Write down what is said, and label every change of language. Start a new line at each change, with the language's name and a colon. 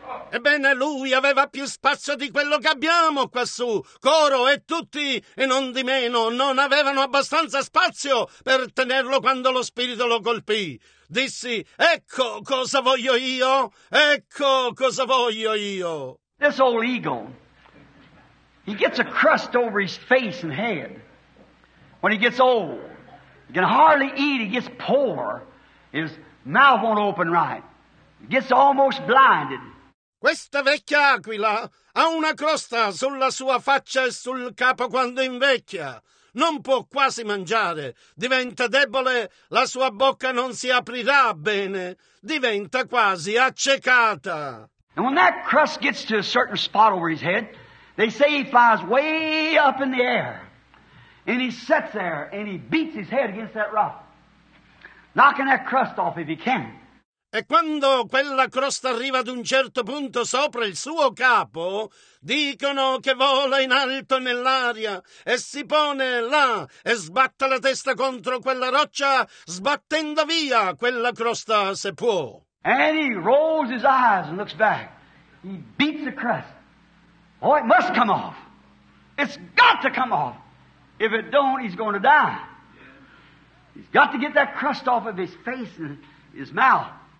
Italian: Ebbene, lui aveva più spazio di quello che abbiamo quassù, coro e tutti, e non di meno, non avevano abbastanza spazio per tenerlo quando lo Spirito lo colpì. Dissi, ecco cosa voglio io, ecco cosa voglio io.
English: This old eagle, he gets a crust over his face and head. When he gets old, he can hardly eat, he gets poor, his mouth won't open right, he gets almost blinded.
Italian: Questa vecchia aquila ha una crosta sulla sua faccia e sul capo quando invecchia. Non può quasi mangiare. Diventa debole, la sua bocca non si aprirà bene. Diventa quasi accecata.
English: And when that crust gets to a certain spot over his head, they say he flies way up in the air. And he sits there and he beats his head against that rock, knocking that crust off if he can.
Italian: E quando quella crosta arriva ad un certo punto sopra il suo capo, dicono che vola in alto nell'aria e si pone là e sbatte la testa contro quella roccia, sbattendo via quella crosta se può.
English: And he rolls his eyes and looks back. He beats the crust. Oh, it must come off. It's got to come off. If it don't, he's going to die. He's got to get that crust off of his face and his mouth.